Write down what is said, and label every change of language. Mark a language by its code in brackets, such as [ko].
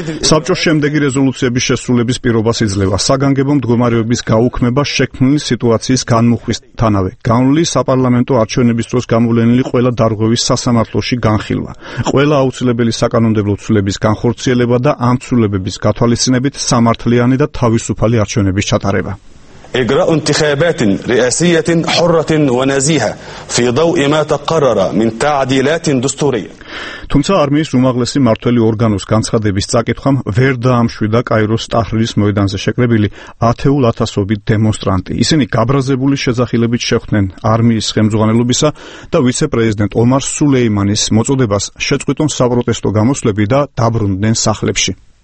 [ka] საბჭოს შემდეგი რეზოლუციების შესრულების პირობას იძლევა საგანგებო მდგომარეობის გაუქმება შექმნილი სიტუაციის განმუხვისთანავე, განვლილი საპარლამენტო არჩევნების დროს გამოვლენილი ყველა დარღვევის სასამართლოში განხილვა, ყველა აუცილებელი საკანონმდებლო ცვლილების განხორციელება და ამ ცვლილებების გათვალისწინებით სამართლიანი და თავისუფალი არჩევნების ჩატარება. [ar] اجراء انتخابات رئاسية حرة ونزيهة في ضوء ما تقرر من تعديلات دستورية. [ka] თუმცა არმიის უმაღლესი მართველი ორგანოს განცხადების წაკითხვამ ვერ დაამშვიდა კაიროს ტაჰრირის მოედანზე შეკრებილი ათეულ ათასობით დემონსტრანტი. ისინი გაბრაზებული შეზახილებით შეხვდნენ არმიის ხელმძღვანელობისა და ვიცე-პრეზიდენტ ომარ სულეიმანის მოწოდებას შეწყვიტონ საპროტესტო გამოსვლები და დაბრუნდნენ სახლებში.